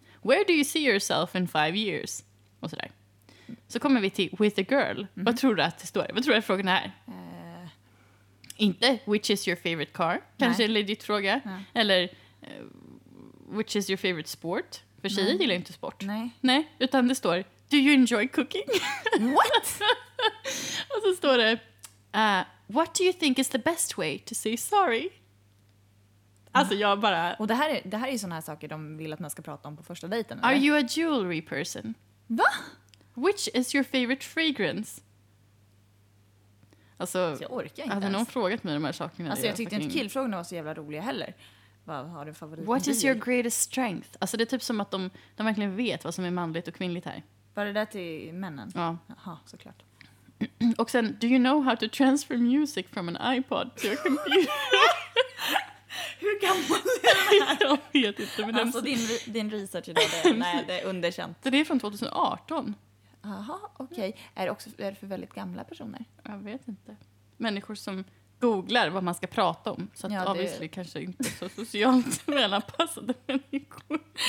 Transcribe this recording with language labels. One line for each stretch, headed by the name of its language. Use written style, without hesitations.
English: Where do you see yourself in 5 years?
Swedish: Och sådär. Så kommer vi till
English: with a girl. Mm-hmm.
Swedish: Vad tror du att det står? Vad tror du att frågan är? Inte
English: which is your favorite car?
Swedish: Kanske en legit fråga. Nej. Eller
English: which is your favorite sport?
Swedish: För tjejer gillar inte sport. Nej. Utan det står,
English: do you enjoy cooking? What?
Swedish: Och så står det,
English: what do you think is the best way to say sorry?
Swedish: Alltså jag bara... Och det här är ju såna här saker de vill att man ska prata om på första dejten. Eller?
English: Are you a jewelry person?
Swedish: Va?
English: Which is your favorite fragrance?
Swedish: Alltså, jag orkar inte. Hade ens någon frågat mig de här sakerna? Alltså jag tyckte inte killfrågorna var så jävla roliga heller. Vad har du favorit?
English: What is your greatest strength?
Swedish: Alltså det är typ som att de verkligen vet vad som är manligt och kvinnligt här. Var det där till männen? Ja. Jaha, såklart. Och sen,
English: do you know how to transfer music from an iPod to a computer?
Swedish: Hur gammal är det här? Jag vet inte. Men alltså din research idag, det är underkänt. Det är från 2018. Jaha, okej. Okay. Är det för väldigt gamla personer? Jag vet inte. Människor som googlar vad man ska prata om. Så att
English: obviously
Swedish: kanske inte så socialt välanpassade människor.